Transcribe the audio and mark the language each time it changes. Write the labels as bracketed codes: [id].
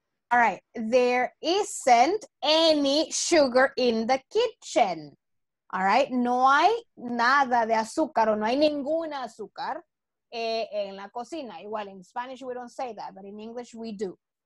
[en] All right, there isn't any sugar in the kitchen. All right, [es] no hay nada de azúcar o no hay ninguna azúcar en la cocina. [en] Igual in Spanish we don't say that, but in English we do.